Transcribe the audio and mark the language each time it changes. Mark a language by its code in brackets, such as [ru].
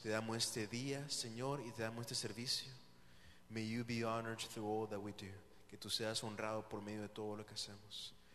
[es] Te damos este día, Señor, y te damos este servicio. [en] May you be honored through all that we do. [es] Que tú seas honrado por medio de todo lo que hacemos.